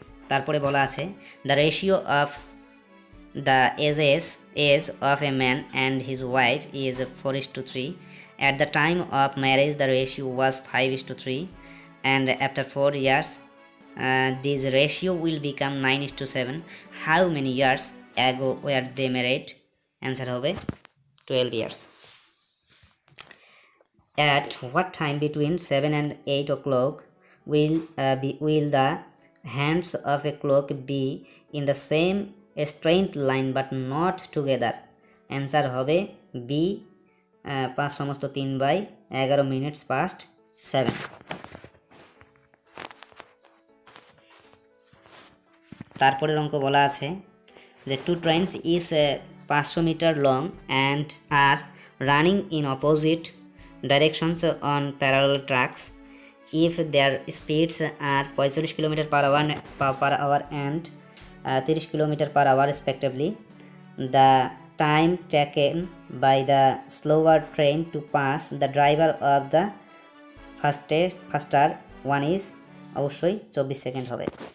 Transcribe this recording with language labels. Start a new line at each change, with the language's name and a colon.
Bangla: তারপরে বলা আছে
English: The ratio of the age of a man and his wife is 4:3, at the time of marriage the ratio was 5:3, and after 4 years this ratio will become 9:7, how many years ago were they married, answer হবে 12 years. At what time between 7 and 8 o'clock will the hands of a clock be in the same straight line but not together?
Bangla: Answer হবে B, পাঁচ সমস্ত 3:11 past 7। তারপরের অঙ্ক বলা আছে যে
English: 2 trains is 500 meter long and are running in opposite directions on parallel tracks, if their speeds are 45 kilometers per hour and 30 kilometers per hour respectively, the time taken by the slower train to pass the driver of the faster one is
Bangla: অবশ্যই 24 second হবে।